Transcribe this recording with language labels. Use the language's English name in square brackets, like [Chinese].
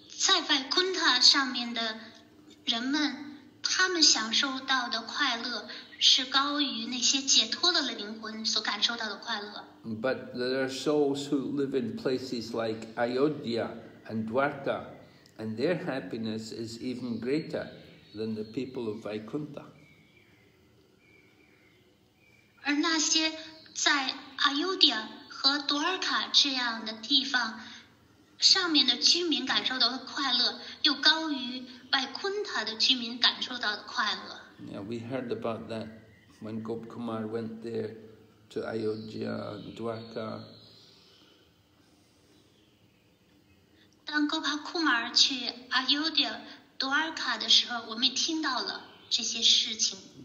[Chinese] In Vaikuntha, 上面的人们，他们享受到的快乐是高于那些解脱的灵魂所感受到的快乐。 [English] But there are souls who live in places like Ayodhya and Dwarka, and their happiness is even greater than the people of Vaikuntha. [Chinese] 而那些在阿尤迪亚和多尔卡这样的地方上面的居民感受到的快乐又高于外昆塔的居民感受到的快乐。 [English] Yeah, we heard about that when Gop Kumar went there to Ayodhya and Dwarka. [Chinese] 当 Gop Kumar 去阿尤迪亚、多尔卡的时候，我们也听到了这些事情。